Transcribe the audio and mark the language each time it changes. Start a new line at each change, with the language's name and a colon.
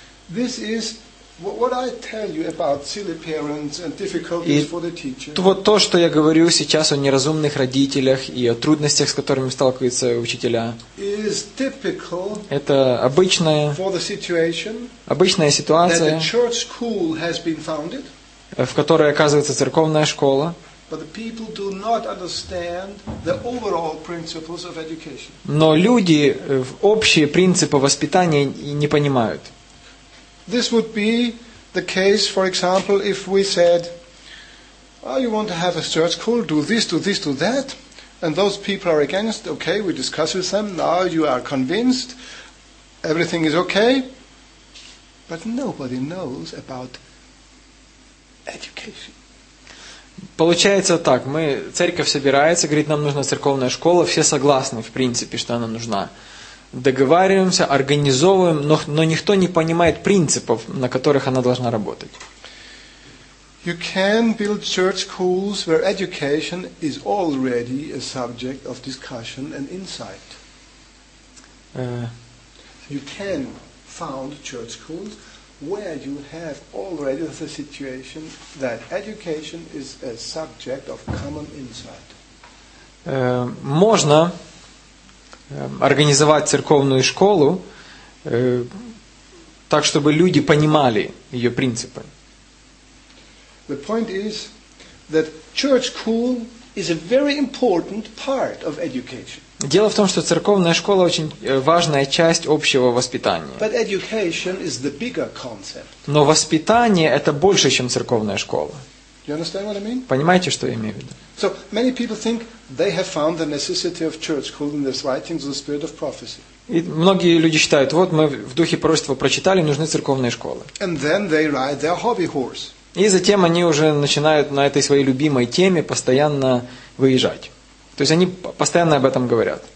English: This is what I tell you about silly parents and difficulties for the teacher.
Russian: И вот то, что я говорю сейчас о неразумных родителях и о трудностях, с которыми сталкиваются учителя.
English: Is typical.
Russian: Это обычная.
English: For the situation.
Russian: Обычная ситуация.
English: That the church school has been founded.
Russian: В которой оказывается церковная школа.
English: But the people do not understand the overall principles of education.
Russian: Но люди общие принципы воспитания не понимают.
English: This would be the case, for example, if we said, oh, you want to have a church school, do this, do this, do that, and those people are against, okay, we discuss with them, now you are convinced, everything is okay, but nobody knows about education.
Russian: Получается так, мы, церковь собирается, говорит, нам нужна церковная школа, все согласны, в принципе, что она нужна. Договариваемся, организовываем, но никто не понимает принципов, на которых она должна работать.
English: You can build church schools where education is already a subject of discussion and insight. You can found church schools where you have already the situation that education is a subject of common insight.
Russian: Можно организовать церковную школу так, чтобы люди понимали ее принципы.
English: The point is that church school is a very important part of education.
Russian: Дело в том, что церковная школа очень важная часть общего воспитания.
English: But education is the bigger concept.
Russian: Но воспитание это больше, чем церковная школа.
English: You understand what I mean?
Russian: Понимаете, что я имею в виду?
English: So many people think they have found the necessity of church school in the writings of the spirit of prophecy.
Russian: И многие люди считают, вот мы в духе пророчества прочитали, нужны церковные школы.
English: And then they ride their hobby horse.
Russian: И затем они уже начинают на этой своей любимой теме постоянно выезжать. То есть они постоянно об этом говорят.